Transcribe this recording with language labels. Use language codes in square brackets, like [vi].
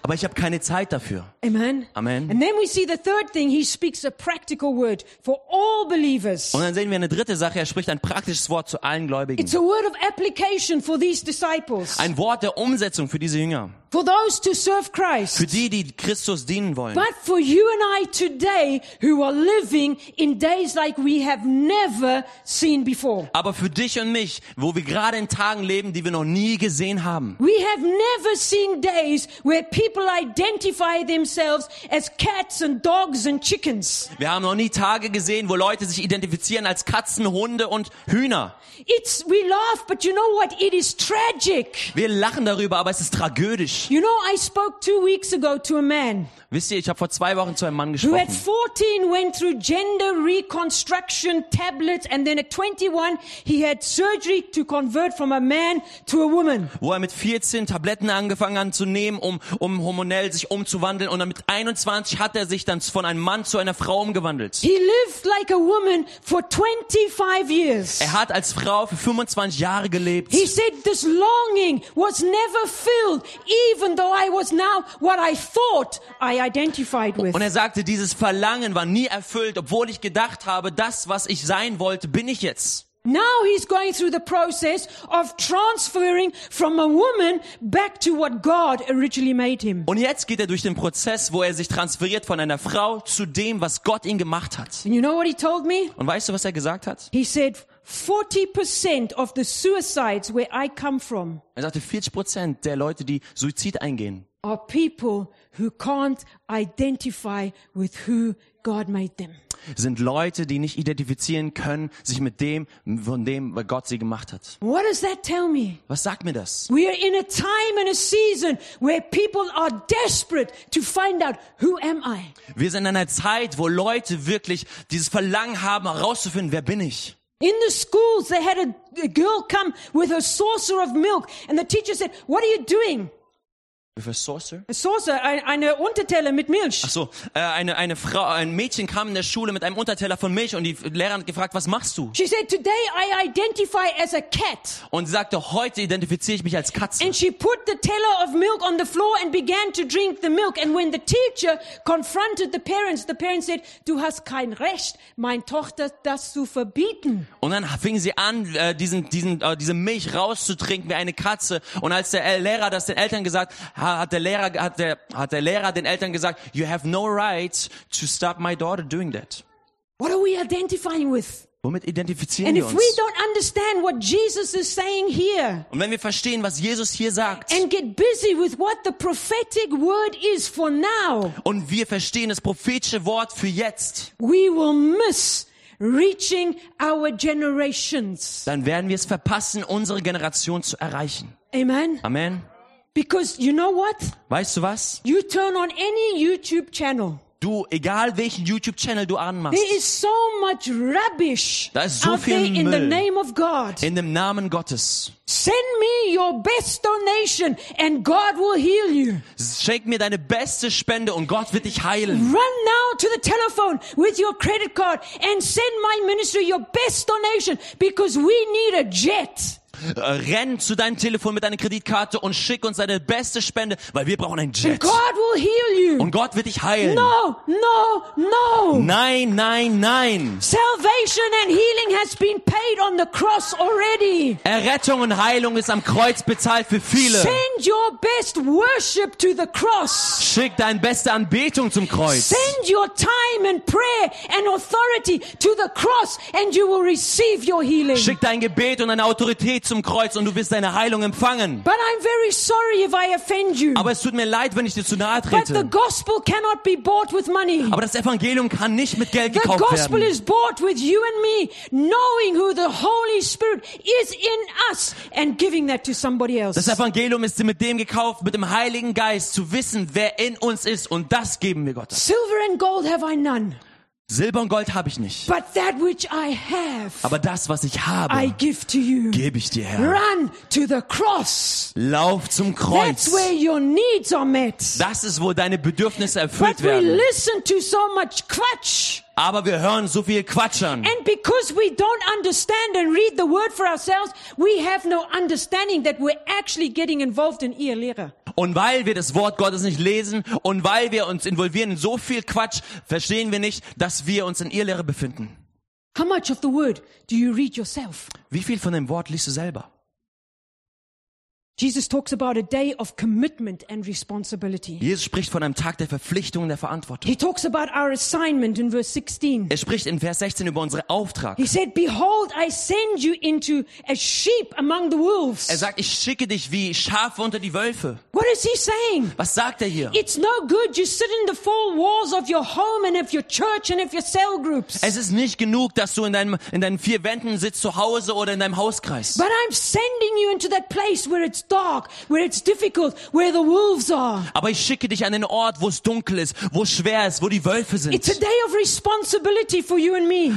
[de] Aber ich habe keine Zeit dafür. Amen. Amen. [en] And then we see the third thing. He speaks a practical word for all believers. [de] Und dann sehen wir eine dritte Sache. Er spricht ein praktisches Wort zu allen Gläubigen. [en] It's a word of application for these disciples. [de] Ein Wort der Umsetzung für diese Jünger. [en] For those to serve Christ. [de] Für die, die Christus dienen wollen. [en] But for you and I today, who are living in days like we have never seen before. [de] Aber für dich und mich, wo wir gerade in Tagen leben, die wir noch nie gesehen haben. [en] We have never seen days where people identify themselves as cats and dogs and chickens. [de] Wir haben noch nie Tage gesehen, wo Leute sich identifizieren als Katzen, Hunde und Hühner. [en] It's, we laugh, but you know what? It is tragic. [de] Wir lachen darüber, aber es ist tragödisch. [en] You know, I spoke 2 weeks ago to a man. [de] Wisst ihr, ich habe vor 2 Wochen zu einem Mann gesprochen. [en] Who at 14 went through gender reconstruction tablets and then at 21 he had surgery to convert from a man to a woman. [de] Wo er mit 14 Tabletten angefangen hat zu nehmen, um hormonell sich umzuwandeln, und dann mit 21 hat er sich dann von einem Mann zu einer Frau umgewandelt. [en] He lived like a woman for 25 years. [de] Er hat als Frau für 25 Jahre gelebt. [en] He said this longing was never filled, even though I was now what I thought I identified with. [de] Und er sagte, dieses Verlangen war nie erfüllt, obwohl ich gedacht habe, das, was ich sein wollte, bin ich jetzt. [en] Now he's going through the process of transferring from a woman back to what God originally made him. [de] Und jetzt geht er durch den Prozess, wo er sich transferiert von einer Frau zu dem, was Gott ihn gemacht hat. [en] And you know what he told me? [de] Und weißt du, was er gesagt hat? [en] He said 40% of the suicides where I come from. [de] Er sagte, 40% der Leute, die Suizid eingehen, [en] are people who can't identify with who God made them. [de] Sind Leute, die nicht identifizieren können, sich mit dem, von dem, was Gott sie gemacht hat. [en] What does that tell me? [de] Was sagt mir das? [en] We are in a time and a season where people are desperate to find out who am I. [de] Wir sind in einer Zeit, wo Leute wirklich dieses Verlangen haben, herauszufinden, wer bin ich. [en] In the schools, they had a girl come with a saucer of milk, and the teacher said, "What are you doing?" With a saucer? A saucer, [de] eine Unterteller mit Milch. Ach so, eine Frau, ein Mädchen kam in der Schule mit einem Unterteller von Milch und die Lehrerin hat gefragt, was machst du? [en] She said, today I identify as a cat. [de] Und sie sagte, heute identifiziere ich mich als Katze. [en] And she put the teller of milk on the floor and began to drink the milk. And when the teacher confronted the parents said, [de] du hast kein Recht, meine Tochter das zu verbieten. Und dann fing sie an, diese Milch rauszutrinken wie eine Katze. Und als der Lehrer das den Eltern gesagt hat der Lehrer den Eltern gesagt, [en] you have no right to stop my daughter doing that. What are we identifying with? [de] Womit identifizieren [en] and [de] wir [en] if [de] uns? [en] We don't understand what Jesus is saying here, [de] und wenn wir verstehen, was Jesus hier sagt, [en] and get busy with what the prophetic word is for now, [de] und wir verstehen das prophetische Wort für jetzt, [en] we will miss reaching our generations. [de] Dann werden wir es verpassen, unsere Generation zu erreichen. Amen. Amen. [en] Because you know what? [de] Weißt du was? [en] You turn on any YouTube channel. [de] Du, egal welchen YouTube Channel du anmachst. [en] There is so much rubbish. [de] Da ist so viel Müll. [en] In the name of God. [de] In dem Namen Gottes. [en] Send me your best donation and God will heal you. [de] Schenk mir deine beste Spende und Gott wird dich heilen. [en] Run now to the telephone with your credit card and send my ministry your best donation because we need a jet. [de] Renn zu deinem Telefon mit deiner Kreditkarte und schick uns deine beste Spende, weil wir brauchen ein Jet. [en] And God will heal you. [de] Und Gott wird dich heilen. [en] No, no, no. [de] Nein, nein, nein. [en] Salvation and healing has been paid on the cross already. [de] Errettung und Heilung ist am Kreuz bezahlt für viele. [en] Send your best worship to the cross. [de] Schick deine beste Anbetung zum Kreuz. [en] Send your time and prayer and authority to the cross and you will receive your healing. [de] Schick dein Gebet und deine Autorität zum Kreuz und du wirst deine Heilung empfangen. [en] But I'm very sorry if I offend you. [de] Aber es tut mir leid, wenn ich dir zu nahe trete. [en] But the gospel cannot be bought with money. [de] Aber das Evangelium kann nicht mit Geld [en] the [de] gekauft [en] gospel [de] werden. [en] Is bought with you and me knowing who the Holy Spirit is in us and giving that to somebody else. [de] Das Evangelium ist mit dem gekauft, mit dem Heiligen Geist zu wissen, wer in uns ist, und das geben wir Gott. [en] Silver and gold have I none. [de] Silber und Gold habe ich nicht. [en] But that which I have, [de] aber das, was ich habe, [en] I give to you. [de] Gebe ich dir, Herr. [en] Run to the cross. [de] Lauf zum Kreuz. [en] That's where your needs are met. [de] Das ist, wo deine Bedürfnisse erfüllt [en] But [de] werden. [en] We listen to so much Quatsch. [de] Aber wir hören so viel Quatsch an. [en] And because we don't understand and read the word for ourselves, we have no understanding that we're actually getting involved in [de] ihr Lehre. Und weil wir das Wort Gottes nicht lesen und weil wir uns involvieren in so viel Quatsch, verstehen wir nicht, dass wir uns in ihr Lehre befinden. [en] How much of the word do you read yourself? [de] Wie viel von dem Wort liest du selber? [en] Jesus talks about a day of commitment and responsibility. [de] Jesus spricht von einem Tag der Verpflichtung und der Verantwortung. [en] He talks about our assignment in verse 16. [de] Er spricht in Vers 16 über unseren Auftrag. [en] He said, "Behold, I send you into a sheep among the wolves." [de] Er sagt, ich schicke dich wie Schafe unter die Wölfe. [en] What is he saying? [de] Was sagt er hier? [en] It's no good you sit in the four walls of your home and of your church and of your cell groups. [de] Es ist nicht genug, dass du in deinen vier Wänden sitzt zu Hause oder in deinem Hauskreis. [en] But I'm sending you into that place where it's dark, where it's difficult, where the wolves are. [de] Aber ich schicke dich an den Ort, wo es dunkel ist, wo es schwer ist, wo die Wölfe sind. [en] It's a day of responsibility for you and me.